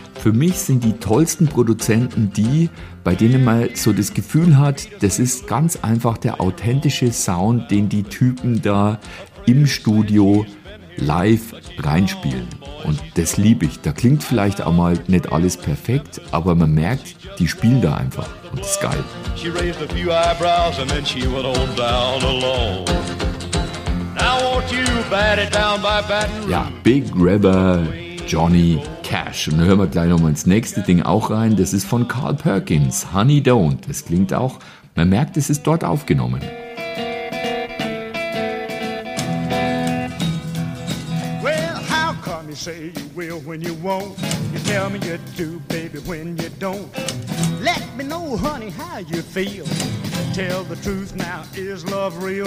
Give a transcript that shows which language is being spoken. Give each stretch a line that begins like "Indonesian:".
German: Für mich sind die tollsten Produzenten die, bei denen man so das Gefühl hat, das ist ganz einfach der authentische Sound, den die Typen da im Studio live reinspielen. Und das liebe ich. Da klingt vielleicht auch mal nicht alles perfekt, aber man merkt, die spielen da einfach. Und das ist geil.
English: She raised a few eyebrows and then she went on down alone. Now won't you bat it down by batten?
German: Ja, Big River, Johnny Cash. Und dann hören wir gleich nochmal ins nächste Ding auch rein. Das ist von Carl Perkins, Honey Don't. Das klingt auch, man merkt, es ist dort aufgenommen.
English: Well, how come you say you will when you won't? You tell me you do, baby, when you don't. Let me know, honey, how you feel. Tell the truth now, is love real?